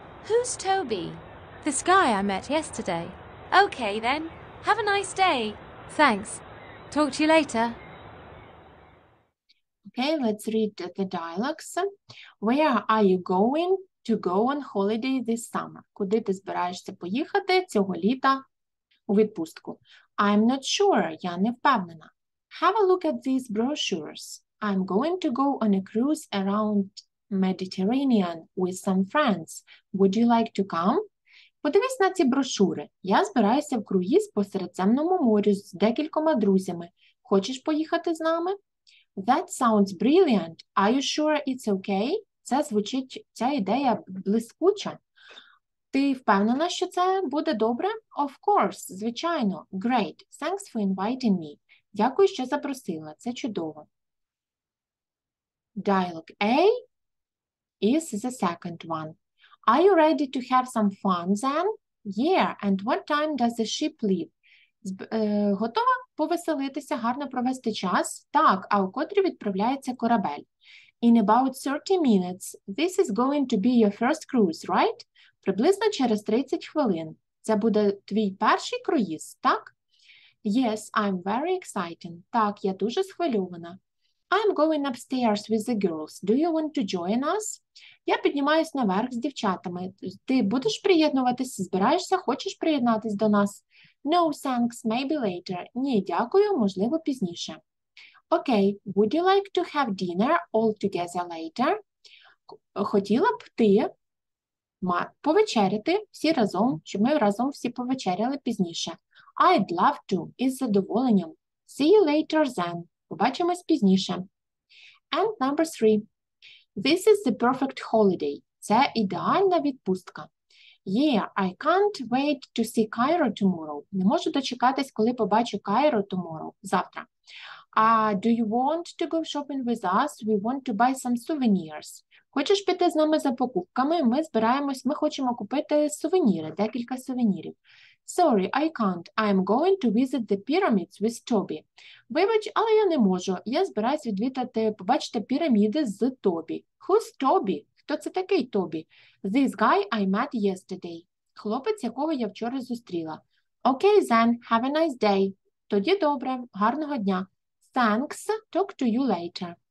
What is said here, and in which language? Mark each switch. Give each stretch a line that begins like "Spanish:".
English: Who's Toby? This guy I met yesterday. Okay then, have a nice day. Thanks. Talk to you later. Okay, let's read the dialogues. Where are you going to go on holiday this summer?
Ukrainian: Куди ти збираєшся поїхати цього літа у відпустку?
English: I'm not sure,
Ukrainian: я не впевнена.
English: Have a look at these brochures. I'm going to go on a cruise around Mediterranean with some friends. Would you like to come?
Ukrainian: Подивись на ці брошури. Я збираюся в круїз по Середземному морю з декількома друзями. Хочеш поїхати з нами?
English: That sounds brilliant. Are you sure it's okay?
Ukrainian: Це звучить, ця ідея блискуча. Ти впевнена, що це буде добре?
English: Of course,
Ukrainian: звичайно.
English: Great. Thanks for inviting me.
Ukrainian: Дякую, що запросила. Це чудово.
English: Dialogue A is the second one. Are you ready to have some fun then? Yeah, and what time does the ship leave?
Ukrainian: Готова повеселитися, гарно провести час? Так, а у котрій відправляється корабель?
English: In about 30 minutes, this is going to be your first cruise, right?
Ukrainian: Приблизно через 30 хвилин. Це буде твій перший круїз, так?
English: Yes, I'm very excited.
Ukrainian: Так, я дуже схвильована.
English: I'm going upstairs with the girls. Do you want to join us?
Ukrainian: Я піднімаюсь наверх з дівчатами. Ти будеш приєднуватись? Збираєшся? Хочеш приєднатись до нас?
English: No, thanks. Maybe later.
Ukrainian: Ні, дякую. Можливо, пізніше.
English: Okay, would you like to have dinner all together later?
Ukrainian: Хотіла б ти повечеряти всі разом, чи ми разом всі повечеряли пізніше.
English: I'd love to,
Ukrainian: із задоволенням.
English: See you later then.
Ukrainian: Побачимось пізніше.
English: And number 3. This is the perfect holiday.
Ukrainian: Це ідеальна відпустка.
English: Yeah, I can't wait to see Cairo tomorrow.
Ukrainian: Не можу дочекатись, коли побачу Cairo
English: tomorrow,
Ukrainian: завтра.
English: Do you want to go shopping with us? We want to buy some souvenirs.
Ukrainian: Хочеш піти з нами за покупками? Ми хочемо купити сувеніри, декілька сувенірів.
English: Sorry, I can't. I'm going to visit the pyramids with Toby.
Ukrainian: Вибач, але я не можу. Я збираюсь відвідати, побачити піраміди з Тобі.
English: Who's Toby?
Ukrainian: Хто це такий Тобі?
English: This guy I met yesterday.
Ukrainian: Хлопець, якого я вчора зустріла.
English: Okay, then. Have a nice day.
Ukrainian: Тоді добре. Гарного дня.
English: Thanks. Talk to you later.